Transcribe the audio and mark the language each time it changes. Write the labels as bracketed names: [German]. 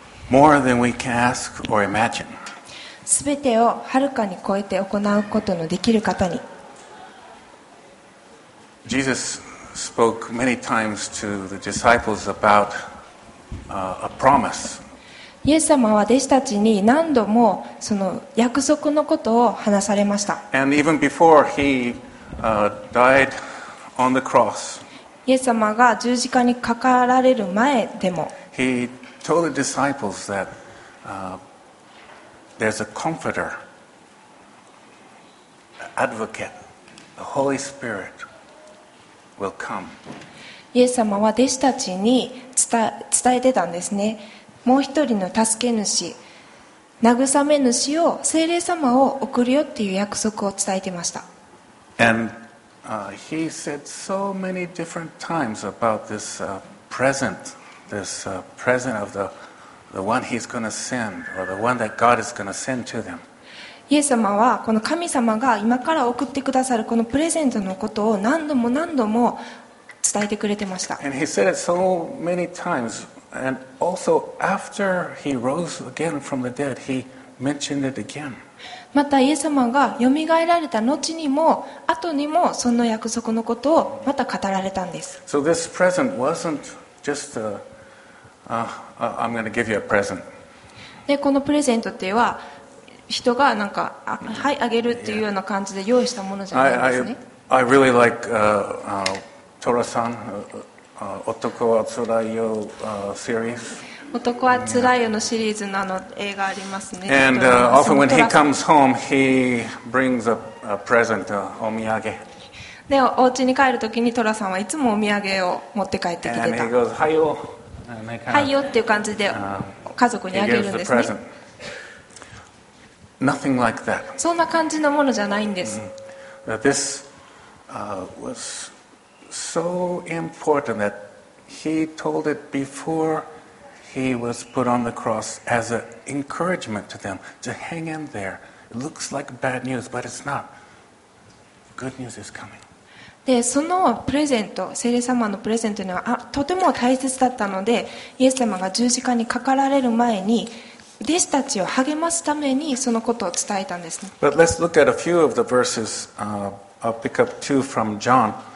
[English] More than we can ask or imagine. [Japanese] 全てをはるかに超えて行うことのできる方に。 [English] Jesus spoke many times to the disciples about a promise. [Japanese] イエス様は弟子たちに何度もその約束のことを話されました。 [English] And even before he died on the cross. [Japanese] イエス様が十字架にかかられる前でも、 [English] Told the disciples that there's a comforter, an advocate, the Holy Spirit will come. [Japanese] イエス様は弟子たちに伝えてたんですね。もう一人の助け主、慰め主を聖霊様を送るよっていう約束を伝えてました。 [English] And he said so many different times about this present. This present of the one he's going to send, or the one that God is going to send to them. [Japanese] イエス様はこの神様が今から送ってくださるこのプレゼントのことを何度も何度も伝えてくれてました。 [English] And he said it so many times, and also after he rose again from the dead, he mentioned it again. [Japanese] またイエス様が蘇られた後にも後にもその約束のことをまた語られたんです。 [English] So this present wasn't just aI'm going to give you a present. [Japanese] で、このプレゼントっては人がなんかはいあげるっていうような感じで用意したものじゃないんですね。 [English] I really like Tora-san, Otoko wa Tsurai yo series. [Japanese] 男はつらいよのシリーズの映画ありますね。 [English] And often when he comes home, he brings a present, a omiyage. [Japanese] で、お家に帰るときにトラさんはいつもお土産を持って帰ってきてた。 [English] Goes, [Japanese] はいよ。はいよっていう感じで家族にあげるんですね。 [English] Nothing like that. [Japanese] そんな感じのものじゃないんです。 Mm-hmm. [English] This was so important that he told it before he was put on the cross as an encouragement to them to hang in there. It looks like bad news, but it's not. Good news is coming. [Japanese] でそのプレゼント、聖霊様のプレゼントにはとても大切だったので、イエス様が十字架にかかられる前に弟子たちを励ますためにそのことを伝えたんですね。 [English] But let's look at a few of the verses. I'll pick up two from John.